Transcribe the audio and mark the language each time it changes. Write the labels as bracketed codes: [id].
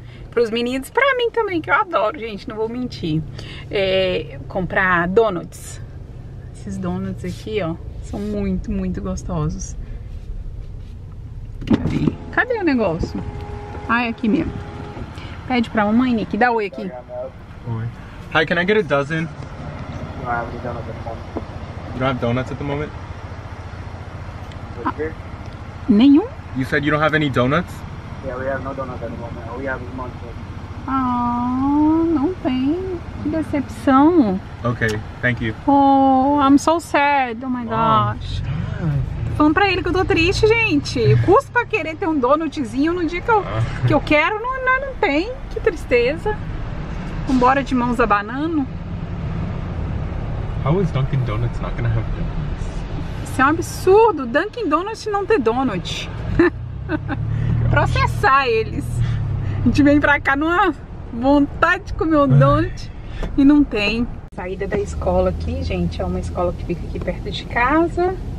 [pt] Para os meninos, para mim também, que eu adoro, gente, não vou mentir. É, comprar donuts. Esses donuts aqui, ó, são muito, muito gostosos. Cadê o negócio? Ah, é aqui mesmo. Pede para a mamãe, Nick, dá oi aqui. [en] Oi. Hi, can I get a dozen? No, I have any donuts at the moment. You don't have donuts at the moment? [pt] Nenhum? [en] You said you don't have any donuts? Yeah, we have no donuts anymore. Now. We have [pt] monsters. Ah, não tem. Que decepção. [en] Okay, thank you. Oh, I'm so sad. Oh my gosh. [pt] Tô falando pra ele que eu tô triste, gente. Custa querer ter um donutzinho no dia que eu quero, não tem. Que tristeza. Vambora de mãos abanando. [en] How is Dunkin' Donuts not gonna have donuts? [pt] Isso é um absurdo. Dunkin' Donuts não ter donut. Processar eles. A gente vem pra cá numa vontade de comer um donut e não tem. Saída da escola aqui, gente. É uma escola que fica aqui perto de casa.